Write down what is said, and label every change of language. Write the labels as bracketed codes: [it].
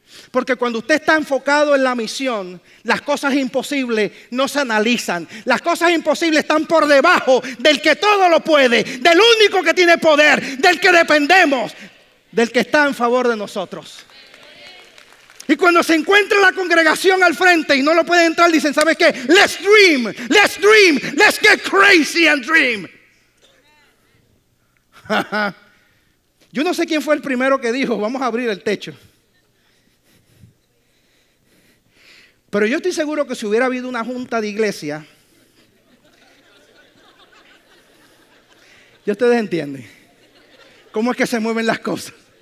[es] Porque cuando usted está enfocado en la misión, las cosas imposibles no se analizan. Las cosas imposibles están por debajo del que todo lo puede, del único que tiene poder, del que dependemos, del que está en favor de nosotros. Y cuando se encuentra la congregación al frente y no lo puede entrar, dicen: ¿sabes qué? [en] Let's dream, let's dream, let's get crazy and dream. [es] Yo no sé quién fue el primero que dijo: vamos a abrir el techo. Pero yo estoy seguro que si hubiera habido una junta de iglesia, ya ustedes entienden cómo es que se mueven las cosas.